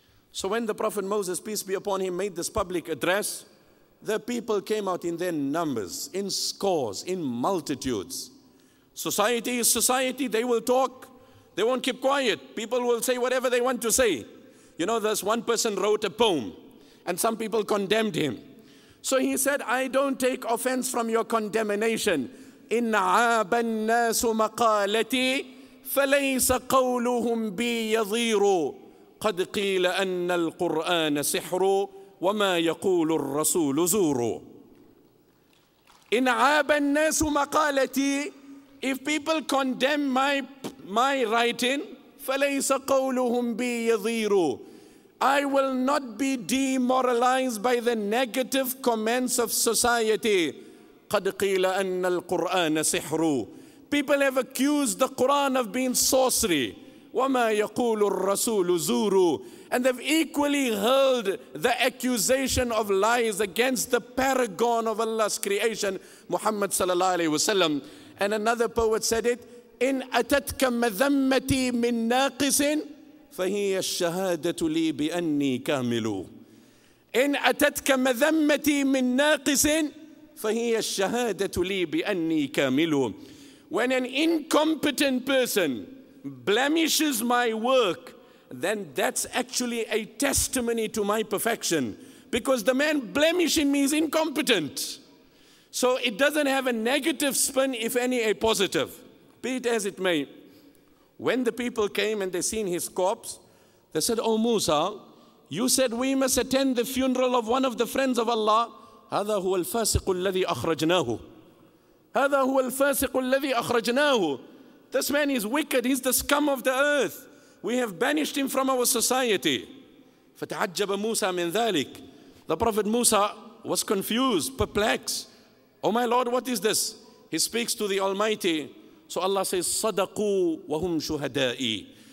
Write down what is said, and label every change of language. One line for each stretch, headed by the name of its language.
English: So when the Prophet Moses, peace be upon him, made this public address, the people came out in their numbers, in scores, in multitudes. Society is society. They will talk. They won't keep quiet. People will say whatever they want to say. You know, this one person wrote a poem, and some people condemned him. So he said, I don't take offense from your condemnation.
Arabic: إِنَّعَابَ النَّاسُ مَقَالَتِي فَلَيْسَ قَوْلُهُمْ بِي يَظِيرُ قَدْ قِيلَ أَنَّ الْقُرْآنَ سِحْرُ وَمَا يَقُولُ الرَّسُولُ زُورُ إِنَّعَابَ النَّاسُ مَقَالَتِي
English: If people condemn my writing,
Arabic: فَلَيْسَ قَوْلُهُمْ بِي يَظِيرُ
English: I will not be demoralized by the negative comments of society.
Arabic: قَدْ قِيلَ أَنَّ الْقُرْآنَ سِحْرُ
English: People have accused the Quran of being sorcery.
Arabic: وَمَا يَقُولُ الرَّسُولُ زُورُ
English: And they've equally hurled the accusation of lies against the paragon of Allah's creation, Muhammad sallallahu alayhi wasallam. And another poet said it,
Arabic: إِنْ أَتَتْكَ مَذَمَّتِي مِنْ نَاقِسٍ فَهِيَ الشَّهَادَةُ لِي بِأَنِّي كَامِلُ
English: إِنْ أَتَتْكَ مَذَمَّتِي مِنْ نَاقِسٍ فَهِيَ الشَّهَادَةُ لِي بِأَنِّي كَامِلُ When an incompetent person blemishes my work, then that's actually a testimony to my perfection. Because the man blemishing me is incompetent. So it doesn't have a negative spin, if any, a positive. Be it as it may. When the people came and they seen his corpse, they said, Oh Musa, you said we must attend the funeral of one of the friends of Allah.
Arabic: هذا هو الفاسق الذي أخرجناه. هذا هو الفاسق الذي أخرجناه.
English: This man is wicked, he's the scum of the earth. We have banished him from our society.
Arabic: فتعجب موسى من ذلك.
English: The Prophet Musa was confused, perplexed. Oh my Lord, what is this? He speaks to the Almighty. So Allah says,
Arabic: صدقوا وهم شهدائي.